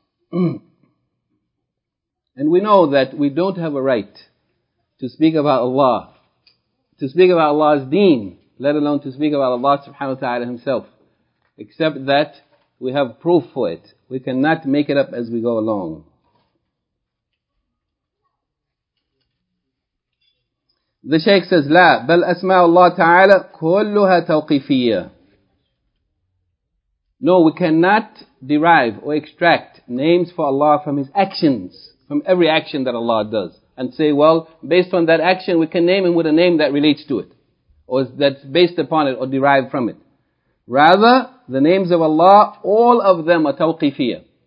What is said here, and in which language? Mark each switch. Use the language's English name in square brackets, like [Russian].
[English] And we know that we don't have a right to speak about Allah, to speak about Allah's deen, let alone to speak about Allah subhanahu wa ta'ala Himself, except that we have proof for it. We cannot make it up as we go along. The Shaykh says, [Arabic] لا بل أسماء الله تعالى كلها توقيفية. [English] No, we cannot derive or extract names for Allah from His actions, from every action that Allah does, and say, well, based on that action, we can name Him with a name that relates to it, or that's based upon it, or derived from it. Rather, the names of Allah, all of them are tawqifiyya.